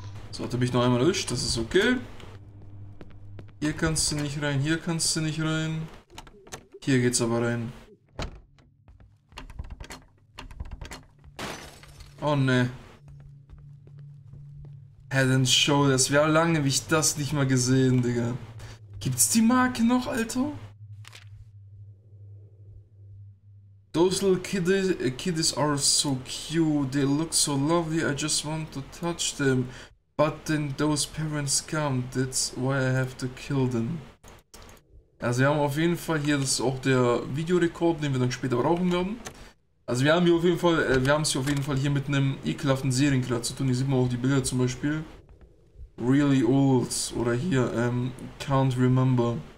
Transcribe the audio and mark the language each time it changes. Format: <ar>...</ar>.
<de>So, hat er mich noch einmal erwischt, das ist okay. Hier kannst du nicht rein, hier kannst du nicht rein. Hier geht's aber rein. Oh ne. Head and Show, das wäre lange, wie ich das nicht mal gesehen, Digga. Gibt's die Marke noch, Alter?</de> <en>Those little kiddies are so cute. They look so lovely. I just want to touch them. But then those parents come. That's why I have to kill them.</en> <de>Also wir haben auf jeden Fall hier, das ist auch der Videorekord, den wir dann später brauchen werden. Also wir haben hier auf jeden Fall, wir haben es hier auf jeden Fall hier mit einem ekelhaften Serienkiller zu tun. Hier sieht man auch die Bilder zum Beispiel.</de> <en>Really old.</en> <de>Oder hier,</de> <en>can't remember.</en>